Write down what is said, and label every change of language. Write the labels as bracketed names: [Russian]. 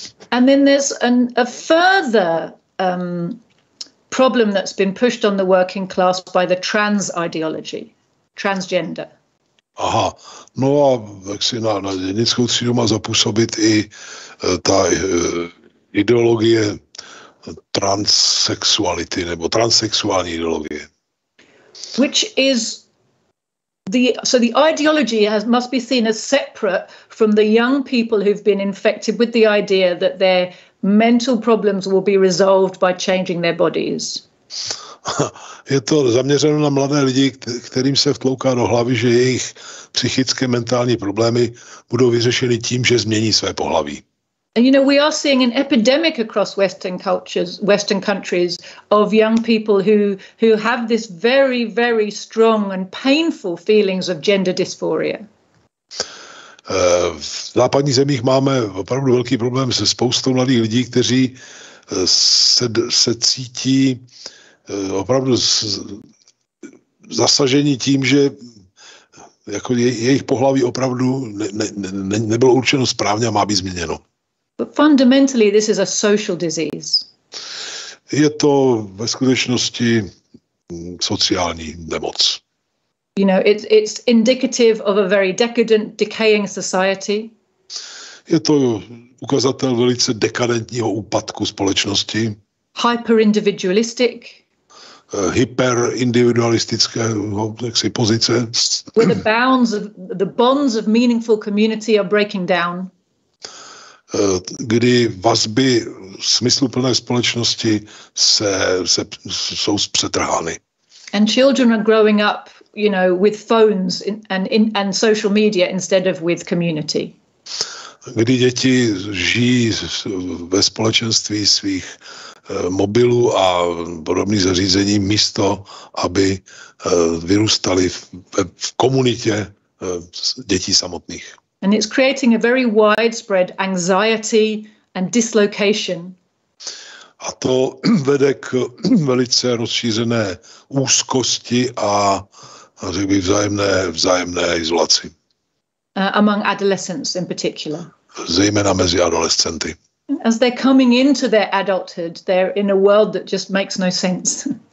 [English] And then there's a further problem that's been pushed on the working class by the trans ideology, transgender. [Czech] Aha, no a jak si na dělnickou třídu má zapůsobit i ta ideologie transsexuality nebo transsexuální ideologie. [English] Which is the ideology must be seen as separate from the young people who've been infected with the idea that their mental problems will be resolved by changing their bodies. [Czech] Je to zaměřeno na mladé lidi, kterým se vtlouká do hlavy, že jejich psychické mentální problémy budou vyřešeny tím, že změní své pohlaví. [English] And you know, we are seeing an epidemic across Western cultures, Western countries, of young people who have this very, very strong and painful feelings of gender dysphoria. [Czech] V západních zemích máme opravdu velký problém se spoustou mladých lidí, kteří se cítí opravdu zasažení tím, že jako jejich pohlaví opravdu nebylo určeno správně a má být změněno. [English] But fundamentally, this is a social disease. [Czech] Je to ve skutečnosti sociální nemoc. [English] You know, it's indicative of a very decadent, decaying society. [Czech] Je to ukazatel velice dekadentního úpadku společnosti. [English] Hyper-individualistic. [Czech] Hyperindividualistické pozice. [English] Where the bonds of meaningful community are breaking down. [Czech] Kdy vazby smysluplné společnosti se jsou zpřetrhány. [English] And children are growing up, you know, with phones and social media instead of with community. [Czech] Kdy děti žijí ve společenství svých mobilů a podobných zařízení místo, aby vyrůstali v komunitě dětí samotných. [English] And it's creating a very widespread anxiety and dislocation. [Czech] A to vede k velice rozšířené úzkosti a řekl bych vzájemné izolaci. [English] Among adolescents in particular. [Czech] Zejména mezi adolescenty. [English] As they're coming into their adulthood, they're in a world that just makes no sense.